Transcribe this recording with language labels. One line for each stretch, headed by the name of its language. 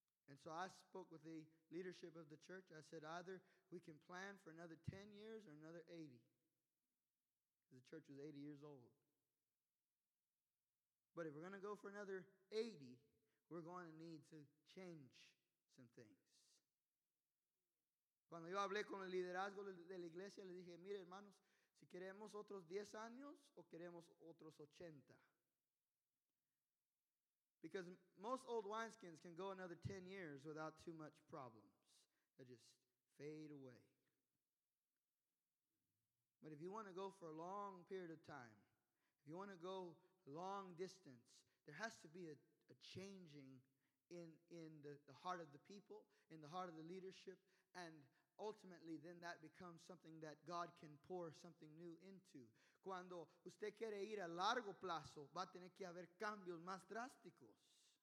English: And so I spoke with the leadership of the church. I said, either we can plan for another 10 years or another 80. Because the church was 80 years old. But if we're going to go for another 80, we're going to need to change some things.
Spanish: Cuando yo hablé con el liderazgo de la iglesia, le dije, mire, hermanos, si queremos otros 10 años o queremos otros 80.
English: Because most old wineskins can go another 10 years without too much problems. They just fade away. But if you want to go for a long period of time, if you want to go long distance, there has to be a changing in the heart of the people, in the heart of the leadership, and ultimately, then that becomes something that God can pour something new into.
Spanish: Cuando usted quiere ir a largo plazo, va a tener que haber cambios más drásticos.